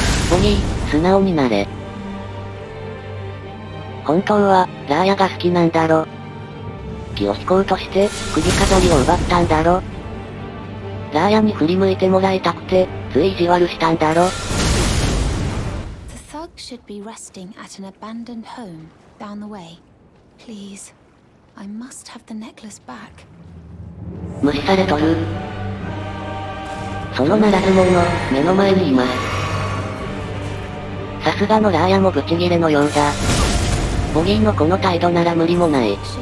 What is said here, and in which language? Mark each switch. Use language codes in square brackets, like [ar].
[ja] ボギー、素直になれ。本当は、ラーヤが好きなんだろ。気を引こうとして、首飾りを奪ったんだろ。ラーヤに振り向いてもらいたくて、つい意地悪したんだろ。 [en] Should be resting at an abandoned home down the way. Please, I must have the necklace back. [ja] 無視されとる。そのならず者、目の前にいます。さすがのラーヤもブチギレのようだ。ボギーのこの態度なら無理もない。